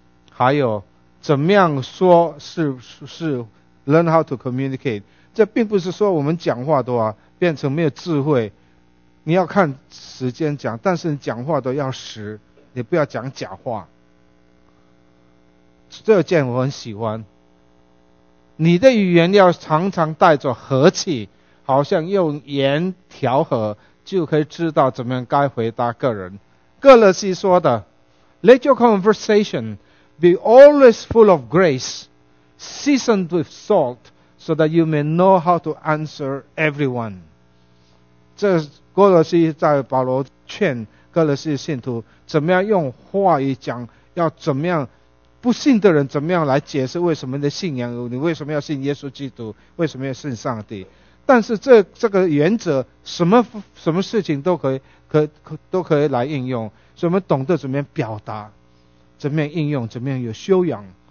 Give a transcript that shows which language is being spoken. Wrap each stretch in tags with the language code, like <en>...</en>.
<zh>还有怎么样说是</zh> <en>learn how to communicate，</en> <zh>这并不是说我们讲话的话变成没有智慧，你要看时间讲，但是你讲话都要实，你不要讲假话。这件我很喜欢，你的语言要常常带着和气，好像用盐调和，就可以知道怎么样该回答个人。哥勒西说的</zh> <en>Let your conversation be always full of grace, seasoned with salt, so that you may know how to answer everyone.</en> <zh>这哥勒西在保罗劝哥勒西信徒怎么样用话语讲，要怎么样不信的人怎么样来解释为什么你的信仰，你为什么要信耶稣基督，为什么要信上帝。但是这个原则什么事情都可以来应用，所以我们懂得怎么样表达，怎么样应用，怎么样有修养。</zh>